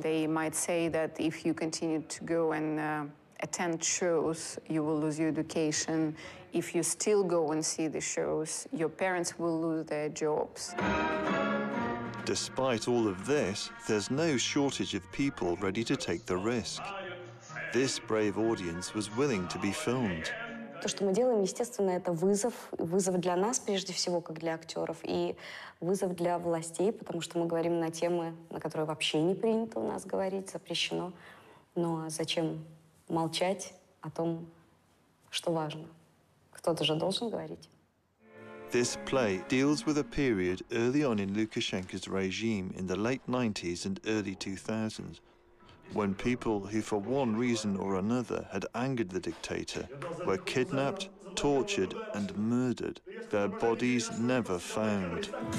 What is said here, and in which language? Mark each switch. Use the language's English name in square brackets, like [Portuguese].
[English] They might say that if you continue to go and attend shows, you will lose your education. If you still go and see the shows, your parents will lose their jobs. Despite all of this, there's no shortage of people ready to take the risk. This brave audience was willing to be filmed. [Russian] То, что мы делаем, естественно, это вызов. Вызов для нас, прежде всего, как для актеров, и вызов для властей, потому что мы говорим на темы, на которые вообще не принято у нас говорить, запрещено. Но зачем молчать о том, что важно? Кто-то же должен говорить. [English] This play deals with a period early on in Lukashenko's regime in the late 90s and early 2000s, when people who for one reason or another had angered the dictator were kidnapped, tortured and murdered, their bodies never found.